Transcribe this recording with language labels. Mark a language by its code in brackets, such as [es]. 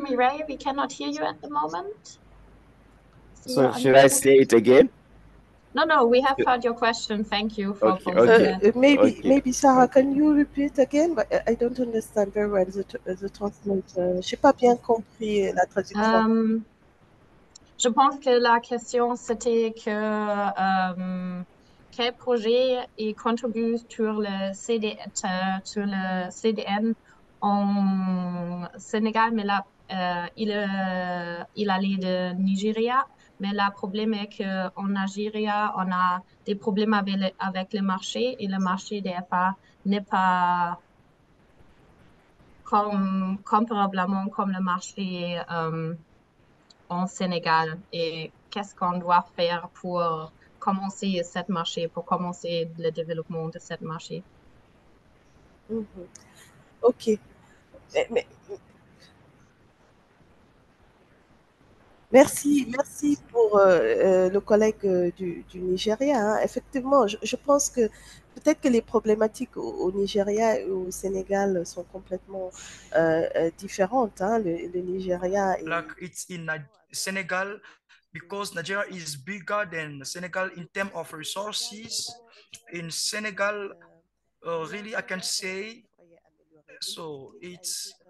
[en] Mireille, we cannot hear you at the moment. So should I say it again? No, no, we have heard your question. Thank you for posing it. Maybe Sarah, can you repeat again? But I don't understand very well the translation. [fr] Je n'ai pas bien compris la traduction. Je pense que la question c'était que quel projet il contribue sur le CDN, sur le CDN en Sénégal, mais là, il allait de Nigeria. Mais le problème est qu'en Nigeria, on a des problèmes avec le marché, et le marché DFA n'est pas comparablement comme le marché en Sénégal. Et qu'est-ce qu'on doit faire pour commencer ce marché, pour commencer le développement de ce marché? Mm-hmm. OK. Merci pour le collègue du Nigeria. Effectivement, je pense que peut-être que les problématiques au Nigeria ou au Sénégal sont complètement différentes. Hein, le Nigeria est... [en] Like it's in Senegal, because Nigeria is bigger than Senegal in terms of resources. In Senegal, really, I can say, so it's...